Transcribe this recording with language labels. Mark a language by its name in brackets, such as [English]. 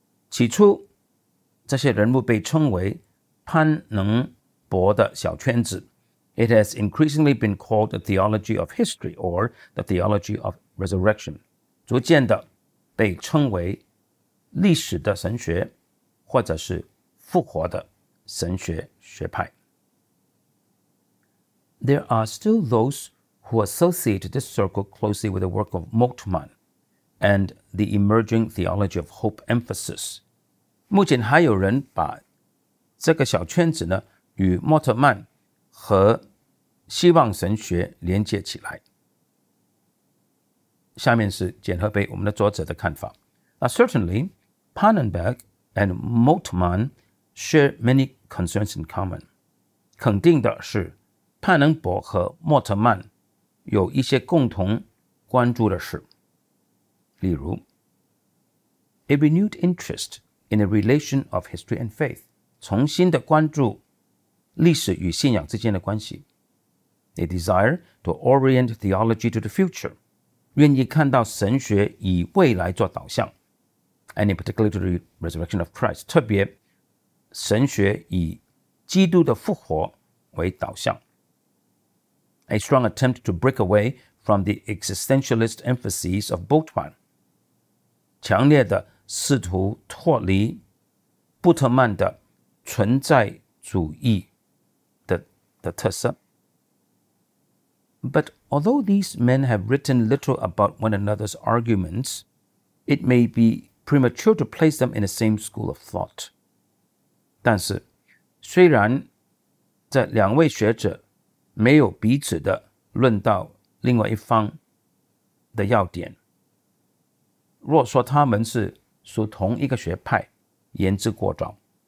[Chinese] 起初这些人物被称为潘能博的小圈子。 [English] It has increasingly been called the theology of history or the theology of resurrection. [Chinese] 逐渐的被称为历史的神学或者是复活的神学学派。 [English] There are still those who associate this circle closely with the work of Moltmann and the emerging theology of hope emphasis. [Chinese] 目前还有人把这个小圈子呢与莫特曼和希望神学连接起来。下面是简和杯我们的作者的看法。 [English] Now, certainly, Pannenberg and Moltmann share many concerns in common. [Chinese] 肯定的是潘能博和莫特曼有一些共同关注的事。例如 [English] A renewed interest in the relation of history and faith. [Chinese] 重新的关注历史与信仰之间的关系。 [English] A desire to orient theology to the future. [Chinese] 愿意看到神学以未来做导向。 [English] And in particular to the resurrection of Christ. [Chinese] 特别神学以基督的复活为导向。 [English] A strong attempt to break away from the existentialist emphases of Bultmann， [Chinese] 强烈的试图脱离布特曼的存在主义 的特色。 [English] But although these men have written little about one another's arguments, it may be premature to place them in the same school of thought。 [Chinese] 但是虽然这两位学者没有彼此的论到另外一方的要点，若说他们是属同一个学派，言之过早。